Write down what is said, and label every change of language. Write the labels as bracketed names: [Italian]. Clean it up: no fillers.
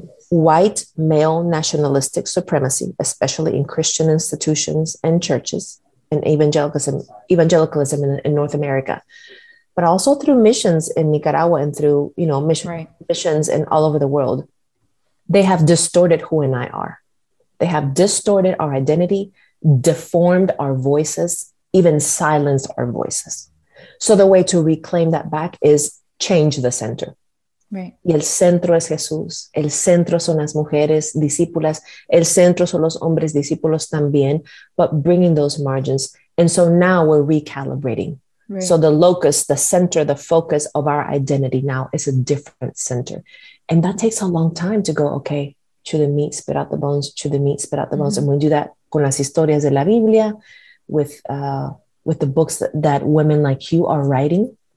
[English] White male nationalistic supremacy, especially in Christian institutions and churches and evangelicalism in North America, but also through missions in Nicaragua and through, you know, missions in all over the world, they have distorted who and I are. They have distorted our identity, deformed our voices, even silenced our voices. So the way to reclaim that back is change the center. Right. [Spanish] Y el centro es Jesús. El centro son las mujeres discípulas. El centro son los hombres discípulos también. [English] But bringing those margins. And so now we're recalibrating. Right. So the locus, the center, the focus of our identity now is a different center. And that takes a long time to go, okay, chew the meat, spit out the bones, chew the meat, spit out the bones. And we do that [Spanish] con las historias de la Biblia, [English] with the books that women like you are writing.